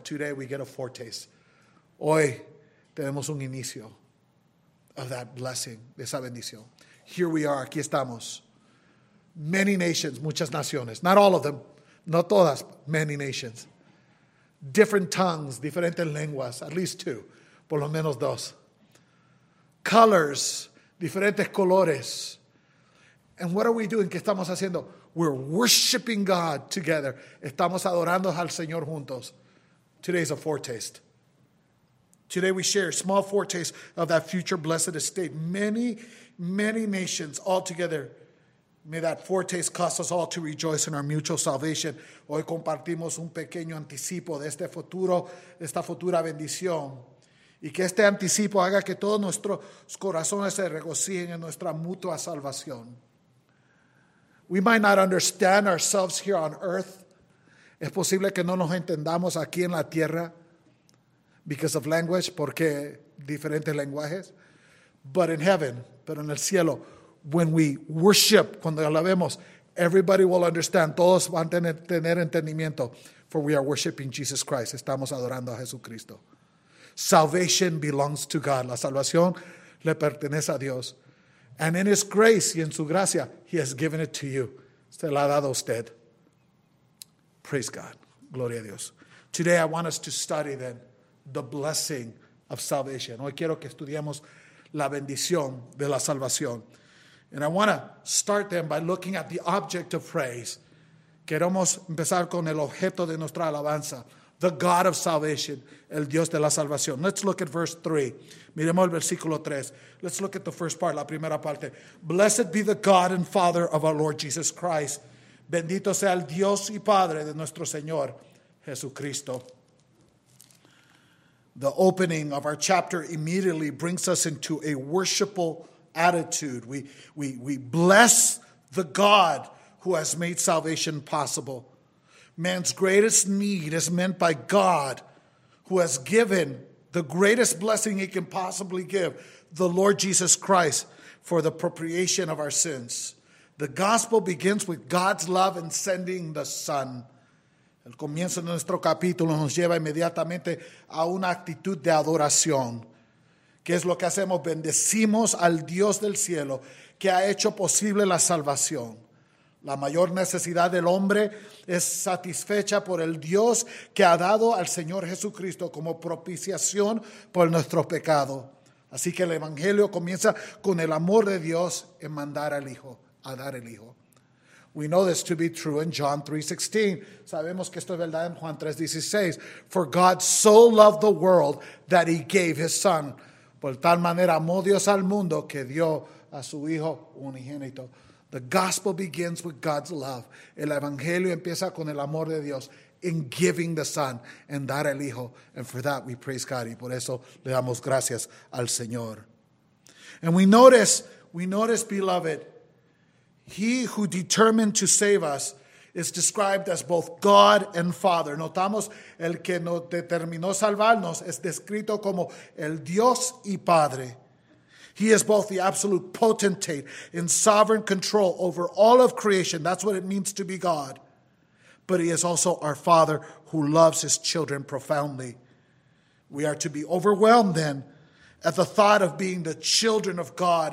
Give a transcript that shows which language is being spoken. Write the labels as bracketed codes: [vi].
[en] Today we get a foretaste. [es] Hoy tenemos un inicio [en] of that blessing, [es] de esa bendición. [en] Here we are, [es] aquí estamos. [en] Many nations, [es] muchas naciones. [en] Not all of them, [es] no todas, [en] many nations. Different tongues, [es] diferentes lenguas, [en] at least two, [es] por lo menos dos. [en] Colors, [es] diferentes colores. [en] And what are we doing? [es] ¿Qué estamos haciendo? [en] We're worshiping God together. [es] Estamos adorando al Señor juntos. [en] Today's a foretaste. Today we share a small foretaste of that future blessed estate. Many, many nations all together. May that foretaste cause us all to rejoice in our mutual salvation. [es] Hoy compartimos un pequeño anticipo de este futuro, esta futura bendición. Y que este anticipo haga que todos nuestros corazones se regocijen en nuestra mutua salvación. [en] We might not understand ourselves here on earth. [es] Es posible que no nos entendamos aquí en la tierra. [en] Because of language, [es] porque diferentes lenguajes. [en] But in heaven, [es] pero en el cielo, [en] when we worship, [es] cuando alabemos, [en] everybody will understand. [es] Todos van a tener entendimiento. [en] For we are worshiping Jesus Christ. [es] Estamos adorando a Jesucristo. [en] Salvation belongs to God. [es] La salvación le pertenece a Dios. [en] And in his grace [es] y en su gracia, [en] he has given it to you. [es] Se la ha dado a usted. [en] Praise God. [es] Gloria a Dios. [en] Today I want us to study then the blessing of salvation. [es] Hoy quiero que estudiemos la bendición de la salvación. [en] And I want to start then by looking at the object of praise. [es] Queremos empezar con el objeto de nuestra alabanza. [en] The God of salvation, [es] el Dios de la salvación. [en] Let's look at verse 3. [es] Miremos el versículo 3. [en] Let's look at the first part, [es] la primera parte. [en] Blessed be the God and Father of our Lord Jesus Christ. [es] Bendito sea el Dios y Padre de nuestro Señor Jesucristo. [en] The opening of our chapter immediately brings us into a worshipful attitude. We bless the God who has made salvation possible. Man's greatest need is meant by God, who has given the greatest blessing he can possibly give, the Lord Jesus Christ, for the propitiation of our sins. The gospel begins with God's love in sending the Son. [es] El comienzo de nuestro capítulo nos lleva inmediatamente a una actitud de adoración. ¿Qué es lo que hacemos? Bendecimos al Dios del cielo que ha hecho posible la salvación. La mayor necesidad del hombre es satisfecha por el Dios que ha dado al Señor Jesucristo como propiciación por nuestro pecado. Así que el Evangelio comienza con el amor de Dios en mandar al Hijo, a dar el Hijo. [en] We know this to be true in John 3:16. [es] Sabemos que esto es verdad en Juan 3:16. [en] For God so loved the world that he gave his son. [es] Por tal manera amó Dios al mundo que dio a su hijo unigénito. [en] The gospel begins with God's love. [es] El evangelio empieza con el amor de Dios [en] in giving the son and [es] dar el hijo. [en] And for that we praise God. [es] Y por eso le damos gracias al Señor. [en] And we notice, beloved, he who determined to save us is described as both God and Father. [es] Notamos, el que nos determinó salvarnos es descrito como el Dios y Padre. [en] He is both the absolute potentate in sovereign control over all of creation. That's what it means to be God. But he is also our Father who loves his children profoundly. We are to be overwhelmed then at the thought of being the children of God.